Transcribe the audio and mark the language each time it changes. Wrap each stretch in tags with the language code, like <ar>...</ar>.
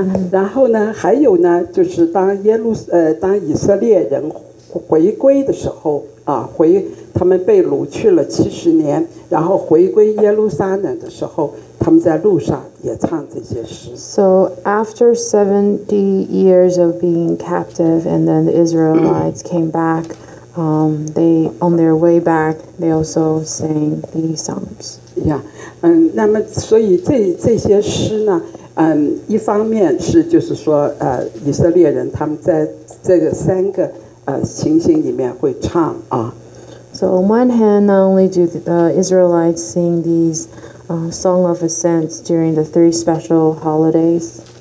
<zh>然后呢，还有呢，就是当以色列人回归的时候啊，他们被掳去了70年，然后回归耶路撒冷的时候，他们在路上也唱这些诗。</zh> <en>So after 70 years of being captive, and then the Israelites came back, they on their way back, they also sang these songs. Yeah.</en> <zh>那么所以这些诗呢，一方面是就是说，以色列人他们在这个三个情形里面会唱啊。</zh> <en>So on one hand, not only do the Israelites sing these song of ascents during the three special holidays.</en>